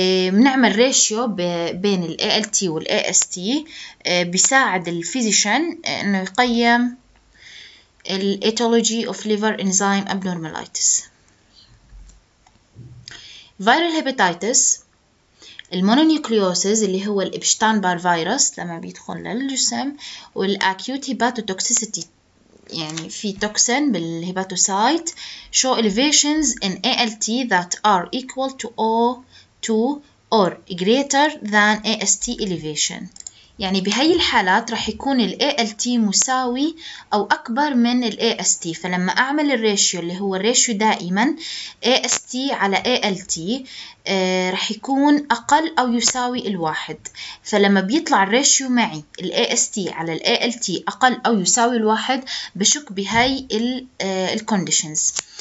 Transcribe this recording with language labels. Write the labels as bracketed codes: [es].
[ar] بنعمل ريشيو بين ال ALT وال AST، بيساعد الفيزيشن انه يقيم ال [en] etiology of liver enzyme abnormalitis. [ar] Viral hepatitis، المونونيوكليوسيز اللي هو الابشتان بار فيروس لما بيدخل للجسم، والاكيوت هيباتوتوكسيسيتي يعني في توكسين بالهيباتوسايت. [en] show elevations in ALT that are equal to or greater than AST elevation. [ar] يعني بهاي الحالات رح يكون ال ALT مساوي أو أكبر من ال AST. فلما أعمل الراتيو اللي هو الراتيو دائما AST على ALT رح يكون أقل أو يساوي الواحد. فلما بيطلع الراتيو معي ال AST على ال ALT أقل أو يساوي الواحد، بشك بهاي ال conditions.